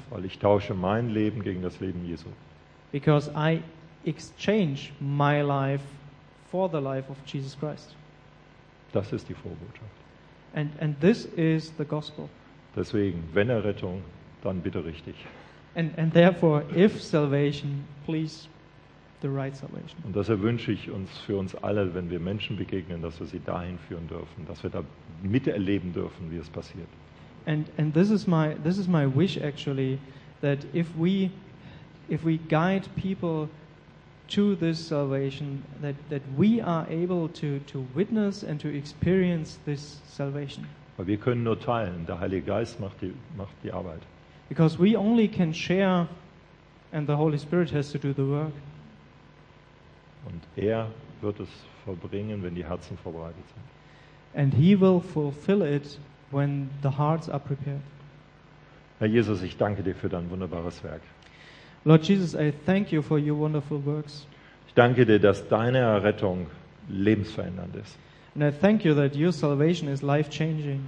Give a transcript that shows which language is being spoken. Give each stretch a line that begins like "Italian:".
German: Weil ich tausche mein Leben gegen das Leben Jesu.
English: Because I exchange my life for the life of Jesus Christ.
German: Das ist die Vorbotschaft.
English: And this is the gospel.
German: Deswegen, wenn Errettung, dann bitte richtig.
English: And therefore, if salvation, please the right salvation.
German: Und das erwünsche ich uns für uns alle, wenn wir Menschen begegnen, dass wir sie dahin führen dürfen, dass wir da miterleben dürfen, wie es passiert.
English: And this is my wish actually, that if we guide people to this salvation, that we are able to witness and to experience this salvation.
German: Weil wir können nur teilen, der Heilige Geist macht die Arbeit.
English: Because we only can share and the Holy Spirit has to do the work.
German: Und er wird es vollbringen, wenn die Herzen vorbereitet sind.
English: And he will fulfill it when the hearts are prepared.
German: Herr Jesus, ich danke dir für dein wunderbares Werk.
English: Lord Jesus, I thank you for your wonderful works.
German: Ich danke dir, dass deine Errettung lebensverändernd ist.
English: And I thank you that your salvation is life-changing.